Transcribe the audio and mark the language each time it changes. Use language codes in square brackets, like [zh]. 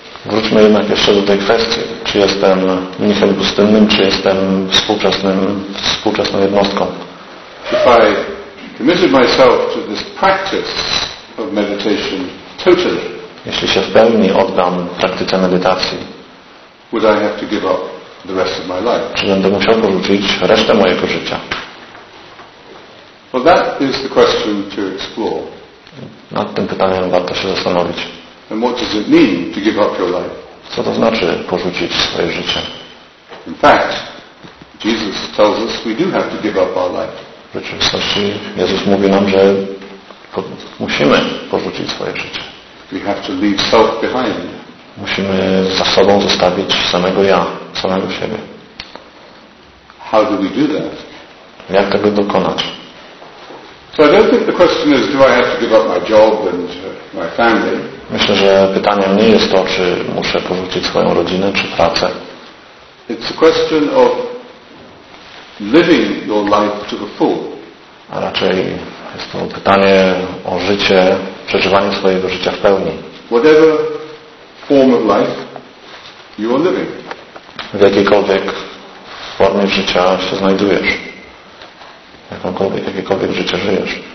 [pl] Wróćmy jednak jeszcze do tej kwestii, czy jestem mnichem pustynnym, czy jestem współczesną jednostką. [en] If I committed myself to this practice of meditation totally. [pl] Jeśli się w pełni oddam praktyce medytacji, [en] would I have to give up the rest of my life? [pl] Czy będę musiał porzucić resztę mojego życia? [en] Well, that is the question to explore. [pl] Nad tym pytaniem warto się zastanowić. [en] And what does it mean to give up your life? [pl] Co to znaczy porzucić swoje życie? [en] In fact, Jesus tells us we do have to give up our life. [pl] W rzeczywistości Jezus mówi nam, że musimy porzucić swoje życie. [en] We have to leave self behind. [pl] Musimy za sobą zostawić samego ja, samego siebie. [en] How do we do that? [pl] Jak tego dokonać? [en] So I don't think the question is, do I have to give up my job and my family? [pl] Myślę, że pytaniem nie jest to, czy muszę porzucić swoją rodzinę, czy pracę. [en] It's a question of living your life to the full. [pl] A raczej jest to pytanie o życie, przeżywanie swojego życia w pełni. [en] Whatever form of life you are living. [pl] W jakiejkolwiek formie życia się znajdujesz. Jakiekolwiek życie żyjesz.